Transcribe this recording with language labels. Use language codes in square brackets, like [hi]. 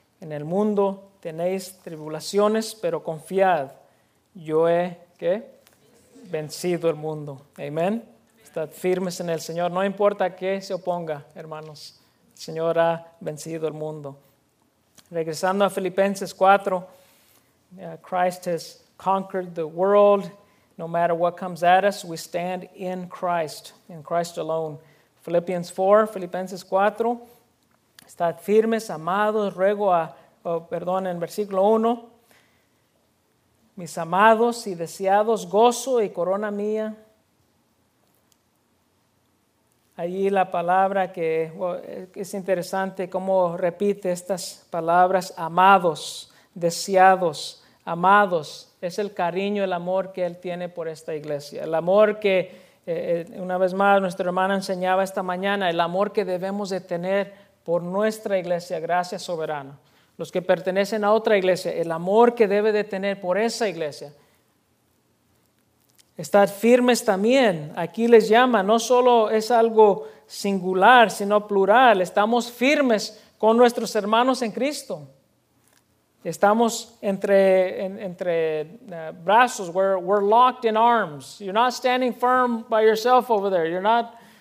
[es] En el mundo tenéis tribulaciones, pero confiad, yo he ¿qué? Vencido el mundo. Amén. Estad firmes en el Señor. No importa qué se oponga, hermanos. El Señor ha vencido el mundo. Regresando a Filipenses 4. [en] Christ has conquered the world. No matter what comes at us, we stand in Christ alone. [es] Philippians 4, Filipenses 4. Estad firmes, amados. En versículo 1. Mis amados y deseados, gozo y corona mía. Allí la palabra que es interesante cómo repite estas palabras, amados, deseados, amados. Es el cariño, el amor que Él tiene por esta iglesia. El amor que, una vez más, nuestra hermana enseñaba esta mañana, el amor que debemos de tener por nuestra iglesia, gracias soberana. Los que pertenecen a otra iglesia, el amor que debe de tener por esa iglesia. Estar firmes también, aquí les llama, no solo es algo singular, sino plural. Estamos firmes con nuestros hermanos en Cristo. Estamos entre brazos, [en] we're locked in arms. You're not standing firm by yourself over there. You're not,